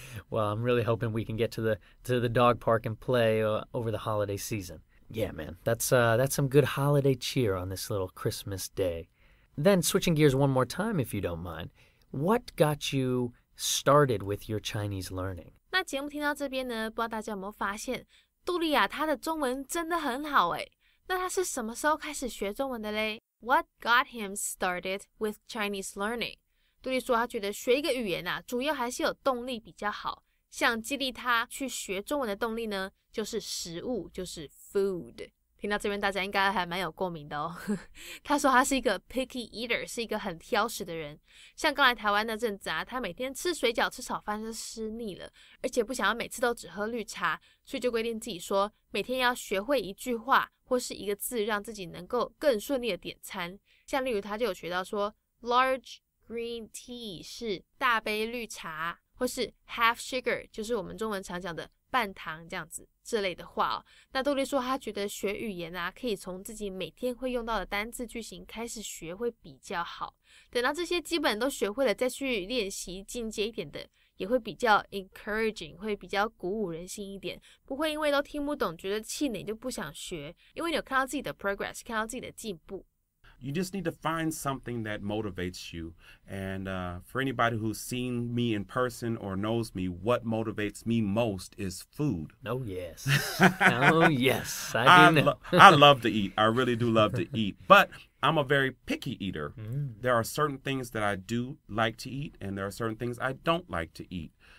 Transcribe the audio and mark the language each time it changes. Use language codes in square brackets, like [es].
[en] Well, I'm really hoping we can get to the dog park and play over the holiday season. Yeah, man, that's some good holiday cheer on this little Christmas day. Then, switching gears one more time, if you don't mind, what got you started with your Chinese learning? [zh] 那节目听到这边呢, 不知道大家有没有发现, 杜力啊, 他的中文真的很好诶。那他是什么时候开始学中文的嘞? [en] What got him started with Chinese learning? [zh] 杜力说他觉得学一个语言啊, 主要还是有动力比较好。像激励他去学中文的动力呢, 就是食物, 就是 food. 听到这边大家应该还蛮有共鸣的哦。他说他是一个 [en] picky eater, [zh] 是一个很挑食的人。像刚来台湾那阵子啊, 他每天吃水饺吃炒饭就吃腻了, 而且不想要每次都只喝绿茶, 所以就规定自己说, 每天要学会一句话, 或是一个字让自己能够更顺利的点餐。像例如他就有学到说, [en] large green tea [zh] 是大杯绿茶, 或是 [en] half sugar [zh] 就是我们中文常讲的半糖这样子这类的话哦。那杜力说他觉得学语言啊, 可以从自己每天会用到的单字句型开始学会比较好, 等到这些基本都学会了再去练习进阶一点的, 也会比较 encouraging, 会比较鼓舞人心一点, 不会因为都听不懂, 觉得气馁就不想学, 因为你有看到自己的 progress, 看到自己的进步。 [en] You just need to find something that motivates you. And for anybody who's seen me in person or knows me, what motivates me most is food. Oh, yes. Oh, yes. I do know. I love to eat. I really do love to eat. But I'm a very picky eater. Mm. There are certain things that I do like to eat, and there are certain things I don't like to eat.